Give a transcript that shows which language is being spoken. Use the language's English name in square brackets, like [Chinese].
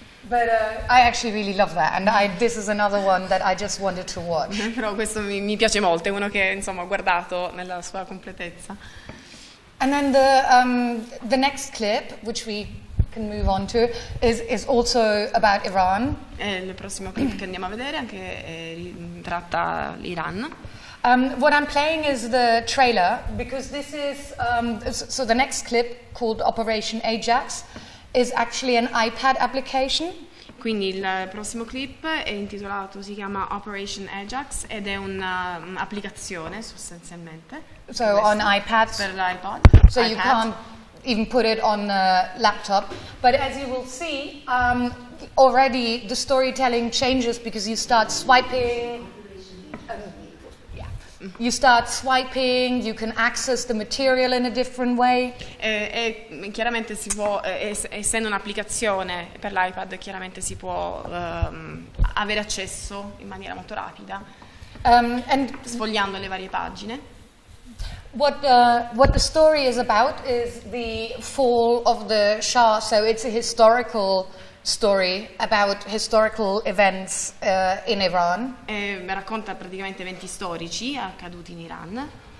[English] But I actually really love that, and this is another one that I just wanted to watch. [Italian] Però questo mi piace molto, è uno che insomma ho guardato nella sua completezza. [English] And then the next clip, which we can move on to, is also about Iran. [Italian] Il prossimo clip che andiamo a vedere anche tratta l'Iran. [English] What I'm playing is the trailer, because this is so the next clip, called Operation Ajax, is actually an iPad application. [Italian] Quindi il prossimo clip è intitolato, si chiama Operation Ajax ed è un'applicazione sostanzialmente. [English] So on iPads. [Italian] Per l'iPod. [English] So you can't even put it on the laptop. But as you will see, already the storytelling changes because you start swiping. You start swiping, you can access the material in a different way. [Italian] Chiaramente si può, essendo un'applicazione per l'iPad, chiaramente si può avere accesso in maniera molto rapida, sfogliando le varie pagine. [English] What the story is about is the fall of the Shah, so it's a historical story about historical events in Iran. [Italian] Racconta praticamente eventi storici accaduti in Iran.